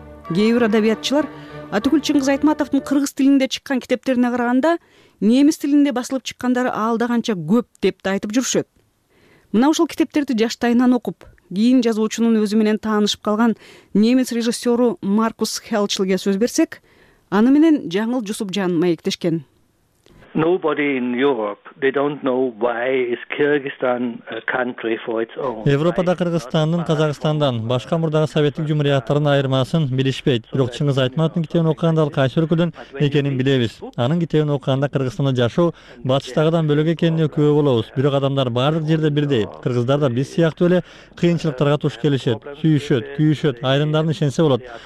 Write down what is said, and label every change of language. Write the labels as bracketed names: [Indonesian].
[Kyrgyz] Кээ бир адабиятчылар атүгүл Чыңгыз Айтматовдун кыргыз тилинде чыккан китептерине караганда немис тилинде басылып чыккандары алдаганча көп деп да айтып жүрүшөт. Мына ушул китептерди жаштайынан окуп, кийин жазуучунун өзү менен таанышып калган немис режиссеру Маркус Хелчлге сөз берсек, аны менен Жаңыл Жусупжан маектешкен. [English] Nobody in Europe, they don't know why is Kyrgyzstan a country for its own. [Kyrgyz] Европада Кыргызстандын Казакстандан башка мурдагы Советтик Жумхуриятынын айырмасын билишпейт. Бирок Чыңгыз Айтматовдун китебин окуганда ал кайсы өлкөдөн экенин билебиз. Анын китебин окуганда Кыргызстанда жашоо батыштагыдан бөлөк экенине күбө болобуз. Бирок адамдар бардык жерде бирдей. Кыргыздар да биз сыяктуу эле кыйынчылыктарга туш келишет, сүйүшөт, күйүшөт, айрымдарына ишенсе болот.